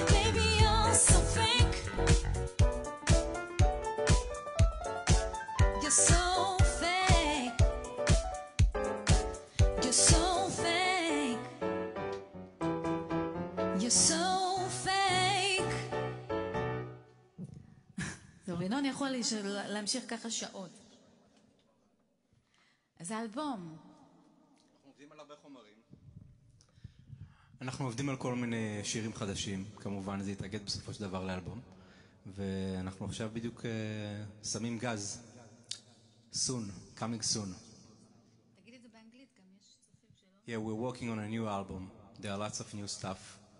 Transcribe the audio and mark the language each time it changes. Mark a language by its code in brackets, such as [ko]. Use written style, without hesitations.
[en] Baby, you're so fake, you're so fake, you're so fake, you're so fake. [he] טוב, ינון יכול להמשיך ככה שעות. אז האלבום. אנחנו עובדים על הרבה חומרים. אנחנו עובדים על כל מיני שירים חדשים. כמובן, זה יתאגד בסופו של דבר לאלבום. ואנחנו עכשיו בדיוק שמים גז. [en] Soon, coming soon. [he] תגיד את זה באנגלית, גם יש צופים שלו. [en] Yeah, we're working on a new album. There are lots of new stuff.